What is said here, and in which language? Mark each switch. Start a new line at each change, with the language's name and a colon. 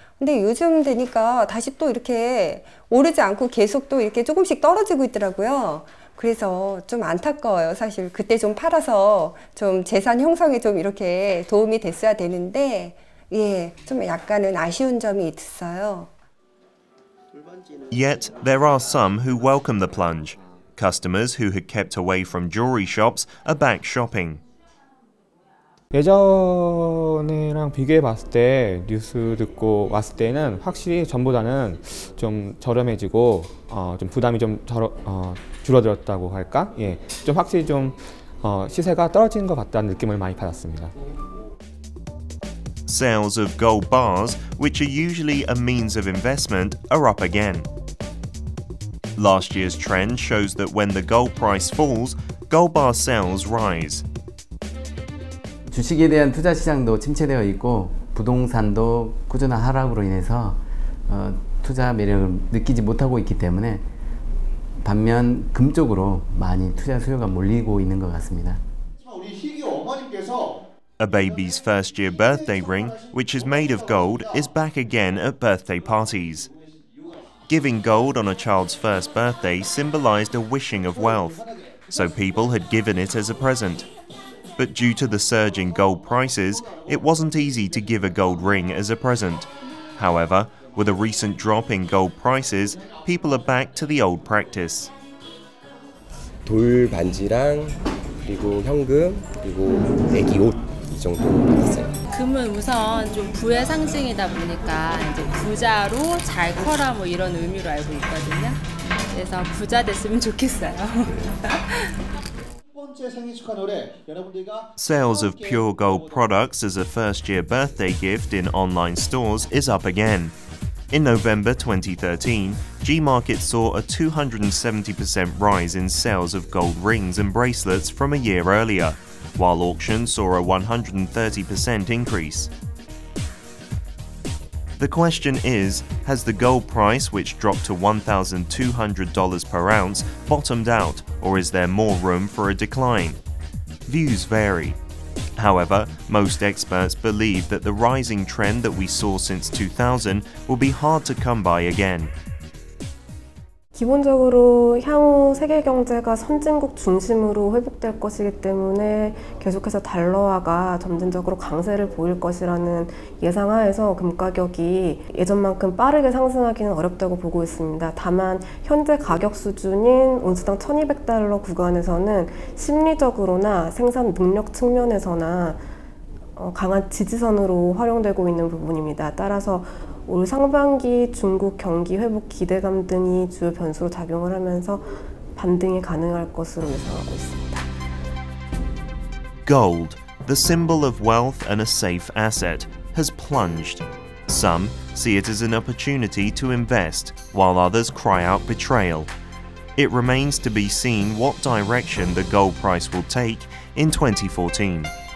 Korean: 근데 요즘 되니까 다시 또 이렇게 오르지 않고 계속 또 이렇게 조금씩 떨어지고 있더라고요. 그래서 좀 안타까워요. 사실 그때 좀 팔아서 좀 재산 형성에 좀 이렇게 도움이 됐어야 되는데 예, 좀 약간은 아쉬운 점이 있어요.
English: Yet there are some who welcome the plunge. Customers who had kept away from jewelry shops are back shopping.
Korean: 예전이랑 비교해 봤을 때 뉴스 듣고 왔을 때는 확실히 전보다는 좀 저렴해지고 좀 부담이 좀 줄어들었다고 할까? 예. 좀 확실히 좀 시세가 떨어진 것 같다는 느낌을 많이 받았습니다.
English: Sales of gold bars, which are usually a means of investment, are up again. Last year's trend shows that when the gold price falls, gold bar sales rise.
Korean: 주식에 대한 투자 시장도 침체되어 있고 부동산도 꾸준한 하락으로 인해서 투자 매력을 느끼지 못하고 있기 때문에 반면 금 쪽으로 많이 투자 수요가 몰리고 있는 것 같습니다.
English: A baby's first year birthday ring, which is made of gold, is back again at birthday parties. Giving gold on a child's first birthday symbolized a wishing of wealth, so people had given it as a present. But due to the surge in gold prices, it wasn't easy to give a gold ring as a present. However, with a recent drop in gold prices, people are back to the old practice.
Korean: 돌 반지랑 그리고 현금 그리고 애기 옷 금은 우선 좀 부의 상징이다 보니까 이제 부자로 잘 커라 뭐 이런 의미로 알고 있거든요. 그래서 부자 됐으면 좋겠어요.
English: Sales of pure gold products as a first year birthday gift in online stores is up again. In November 2013, G-Market saw a 270% rise in sales of gold rings and bracelets from a year earlier, while auction saw a 130% increase. The question is, has the gold price, which dropped to $1,200 per ounce, bottomed out, or is there more room for a decline? views vary. However, most experts believe that the rising trend that we saw since 2000 will be hard to come by again.
Korean: 기본적으로 향후 세계 경제가 선진국 중심으로 회복될 것이기 때문에 계속해서 달러화가 점진적으로 강세를 보일 것이라는 예상하에서 금가격이 예전만큼 빠르게 상승하기는 어렵다고 보고 있습니다. 다만 현재 가격 수준인 온수당 1200달러 구간에서는 심리적으로나 생산 능력 측면에서나 강한 지지선으로 활용되고 있는 부분입니다. 따라서 올 상반기 중국 경기 회복 기대감 등이 주요 변수로 작용을 하면서 반등이 가능할 것으로 예상하고 있습니다.
English: Gold, the symbol of wealth and a safe asset, has plunged. Some see it as an opportunity to invest, while others cry out betrayal. It remains to be seen what direction the gold price will take in 2014.